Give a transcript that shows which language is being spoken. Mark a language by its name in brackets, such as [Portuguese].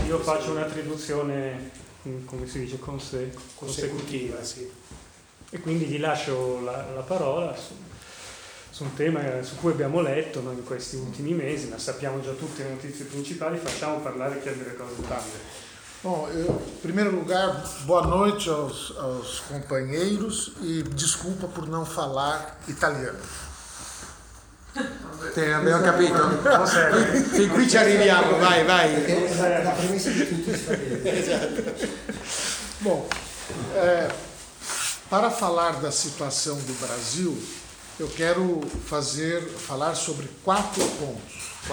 [Italian] Io faccio una traduzione, come si dice, consecutiva. Sì. E quindi gli lascio la parola su un tema su cui abbiamo letto, no, in questi ultimi mesi, ma sappiamo già tutte le notizie principali, facciamo parlare chi ha delle cose da dire. [Portuguese] Bom, em primeiro lugar, boa noite aos companheiros e desculpa por não falar italiano. [Italian] Tem, abbiamo capito? Fin qui ci arriviamo, vai, vai. La premessa di tutto è esatto. [Portuguese] Bom, para falar da situação do Brasil, eu quero falar sobre quatro pontos.